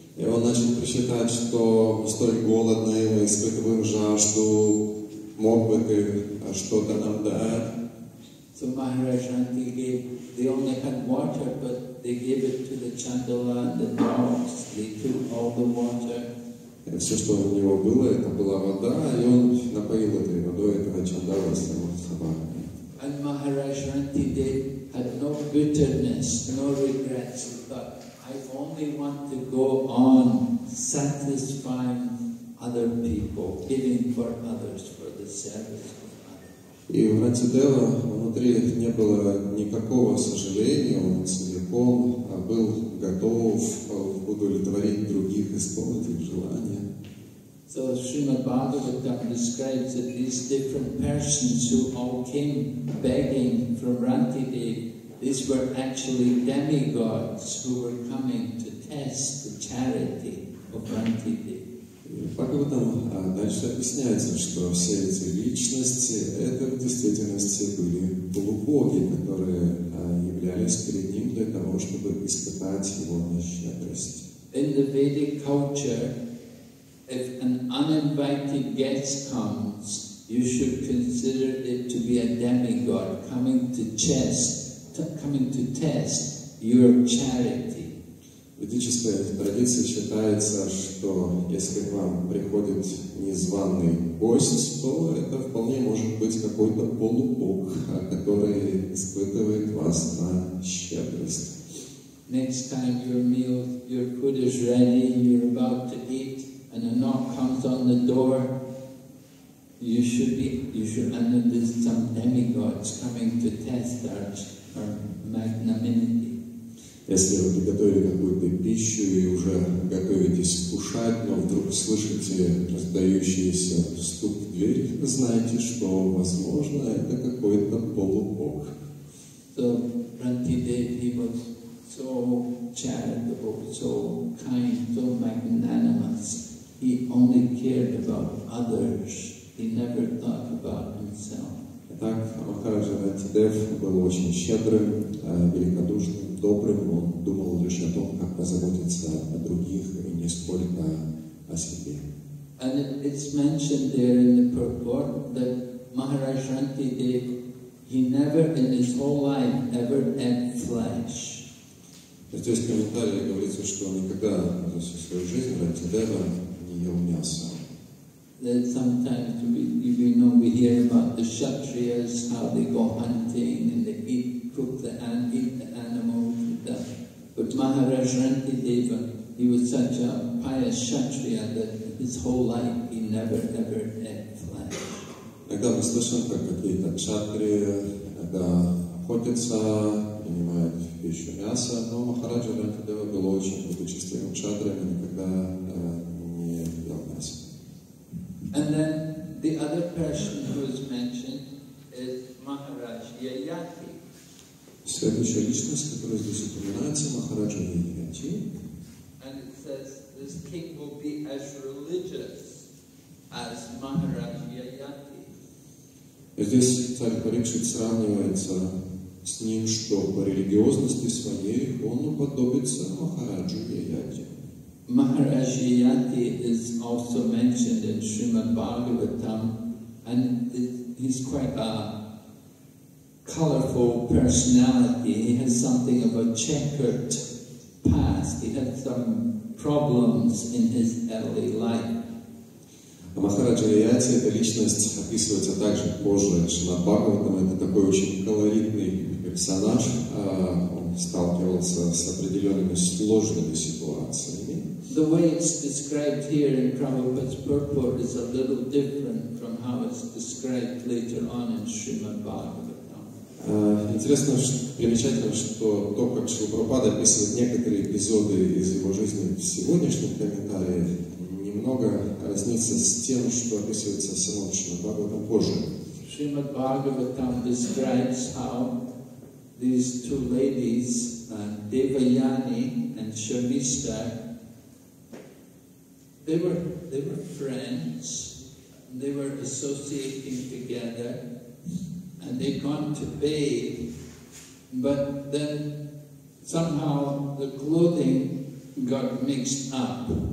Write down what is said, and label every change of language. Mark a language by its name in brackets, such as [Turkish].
[Russian] И он начал причитать, что столь голодно, и мы испытываем жажду, мог бы ты что-то нам дать. [English] So Maharaj Rantideva, they only had water, but they gave it to the chandala and the dogs. They took all the water. [Russian] И все, что у него было, это была вода, и он напоил этой водой этого чандала с его собаками. [English] And Maharaj Rantideva had no bitterness, no regrets. He thought, I only want to go on satisfying other people, giving for others for the service. [Russian] И у Рантидева внутри не было никакого сожаления, он целиком был готов удовлетворить других, исполнить их желания. [English] So Srimad Bhagavatam describes that these different persons who all came begging from Rantideva, these were actually demigods who were coming to take. test the charity of Bhaktideva. [Russian] Бхагаватам дальше объясняется, что все эти личности — это в действительности были полубоги, которые являлись перед ним для того, чтобы испытать его на щедрость. [English] In the Vedic culture, if an uninvited guest comes, you should consider it to be a demigod coming to test your charity. [Russian] В ведической традиции считается, что если к вам приходит незваный гость, то это вполне может быть какой-то полубог, который испытывает вас на щедрость. [English] Next time your meal, your food is ready, you're about to eat, and a knock comes on the door, and then there's some demigods coming to test our magnanimity. [Russian] Если вы приготовили какую-то пищу и уже готовитесь кушать, но вдруг слышите раздающийся стук в дверь, вы знаете, что, возможно, это какой-то полубог. [English] So, Bhaktideva, he was so charitable, so kind, so magnanimous. He only cared about others. He never thought about himself. [Russian] Итак, Махараджа Бхактидев был очень щедрым, великодушным, добрым. Он думал лишь о том, как позаботиться о других и не сколько о себе. [English] And it's mentioned there in the purport that Maharaj Bhaktidev, he never in his whole life ever ate flesh. [Russian] Здесь в комментариях говорится, что никогда за всю свою жизнь Бхактидева не ел мясо. [English] That sometimes we hear about the Kshatriyas, how they go hunting and they eat the animals and that. But Maharaj Bhaktideva, he was such a pious Kshatriya that his whole life he never ever ate flesh. [Russian] Когда мы слышим, как какие-то кшатрии, когда охотятся, принимают пищу мяса, но Махарадж Бхактидева был очень благочестивым кшатрием и никогда не ел мясо. [English] And then the other person who is mentioned is Maharaj Yayati. [Russian] Следующая личность, которая здесь упоминается, Махараджа Яяти. [English] And it says this king will be as religious as Maharaj Yayati. [Russian] Здесь царь Парикшит сравнивается с ним, что по религиозности своей он уподобится Махараджу Яяти. [English] Maharaj Yayati is also mentioned in Srimad Bhagavatam, and he's quite a colorful personality. He has something of a checkered past. He had some problems in his early life. [Russian] Maharaj Yayati, эта личность описывается также позже в Шримад Бхагаватам. Это такой очень колоритный персонаж. Он сталкивался с определенными сложными ситуациями. [English] The way it's described here in Prabhupada's purport is a little different from how it's described later on in Srimad Bhagavatam. [Russian] Интересно, примечательно, что то, как Шрила Прабхупада описывает некоторые эпизоды из его жизни в сегодняшнем комментарии, немного разнится с тем, что описывается в самом Шримад Бхагаватам позже. [English] Srimad Bhagavatam describes how these two ladies, Devayani and Sharmista, They were friends, they were associating together, and they'd gone to bathe, but then somehow the clothing got mixed up.